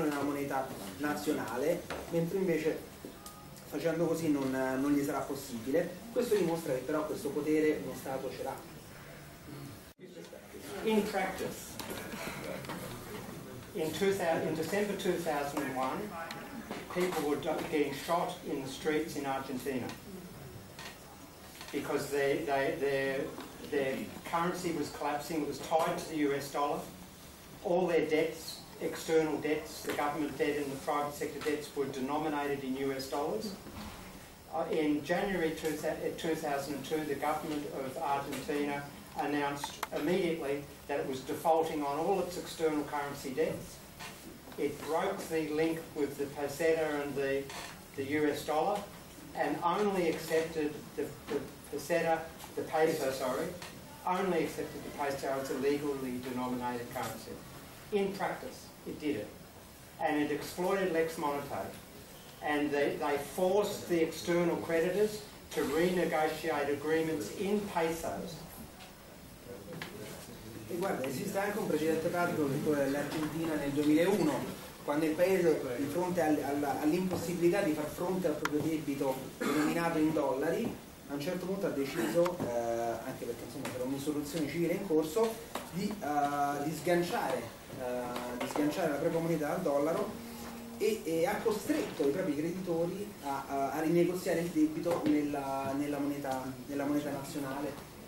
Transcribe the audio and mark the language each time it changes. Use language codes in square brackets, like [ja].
[it] in una moneta nazionale, mentre invece facendo così non gli sarà possibile. Questo dimostra che però questo potere uno Stato ce l'ha. [en] In practice, in December 2001 people were getting shot in the streets in Argentina because their currency was collapsing, it was tied to the US dollar. All their debts, external debts, the government debt and the private sector debts were denominated in US dollars. In January 2002, the government of Argentina announced immediately that it was defaulting on all its external currency debts. It broke the link with the peseta and the US dollar and only accepted the peso as a legally denominated currency. In practice, it did it. And it exploited lex monetae. And they forced the external creditors to renegotiate agreements in pesos. [it] E guarda, esiste anche un precedente pratico che quello dell'Argentina nel 2001, quando il paese, di fronte all'impossibilità di far fronte al proprio debito denominato in dollari, a un certo punto ha deciso, anche perché insomma c'era un'insurrezione civile in corso, di sganciare la propria moneta dal dollaro e ha costretto i propri creditori a rinegoziare il debito nella moneta nazionale.